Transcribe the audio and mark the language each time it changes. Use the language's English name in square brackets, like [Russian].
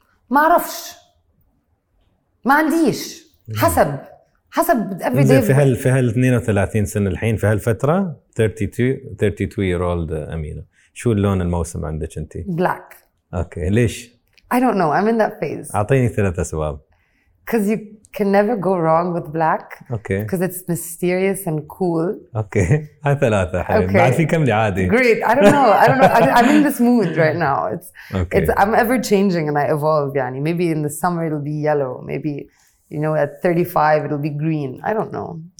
[Arabic] ما اعرفش ما عنديش حسب افري داي في هال 32 سنه الحين في هالفتره [English] 32 year old [Arabic] امينه شو اللون الموسم عندك انت [English] black [Arabic] اوكي ليش [English] I don't know I'm in that phase [Arabic] اعطيني ثلاث اسباب [English] cuz you can never go wrong with black okay cuz it's mysterious and cool [Arabic] okay هاي ثلاثه حلوه okay. بعد في كم عادي [English] great I don't know I'm in this mood right now it's okay. it's I'm ever changing and I evolve يعني maybe in the summer it'll be yellow maybe you know at 35 it'll be green I don't know